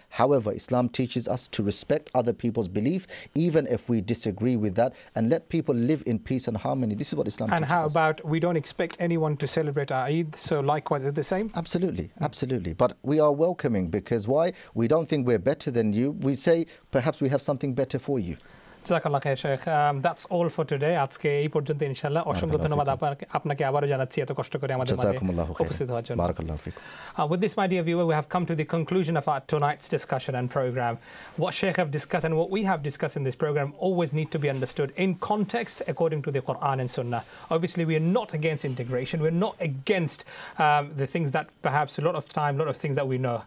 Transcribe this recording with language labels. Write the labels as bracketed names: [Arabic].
[English] However, Islam teaches us to respect other people's belief, even if we disagree with that, and let people live in peace and harmony. This is what Islam teaches us. And how about we don't expect anyone to celebrate our Eid, so likewise is the same? Absolutely, absolutely. But we are welcoming, because why? We don't think we're better than you. We say perhaps we have something better for you. [Bangla] জাযাকাল্লাহ খায়র Sheikh, [English] that's all for today, [Bangla] আজকে এই পর্যন্ত ইনশাআল্লাহ। অসংখ্য ধন্যবাদ আপনাকে আবারও জানাচ্ছি এত কষ্ট করে আমাদের মাঝে উপস্থিত হওয়ার জন্য। [Arabic] বারাকাল্লাহু ফিক। [English] With this, my dear viewer, we have come to the conclusion of our tonight's discussion and program. What Shaykh have discussed and what we have discussed in this program always need to be understood in context according to the Quran and Sunnah. Obviously, we are not against integration. We're not against the things that perhaps a lot of time, a lot of things that we know.